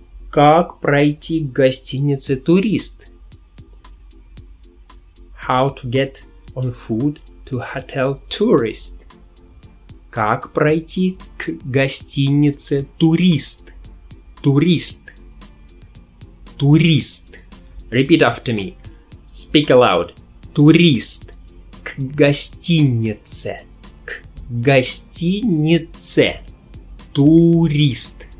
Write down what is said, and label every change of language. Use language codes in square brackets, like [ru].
[ru] Как пройти к гостинице турист? [en] How to get on foot to hotel tourist? [ru] Как пройти к гостинице турист? Турист. Турист. [en] Repeat after me. Speak aloud. [ru] Турист. К гостинице. К гостинице. Турист.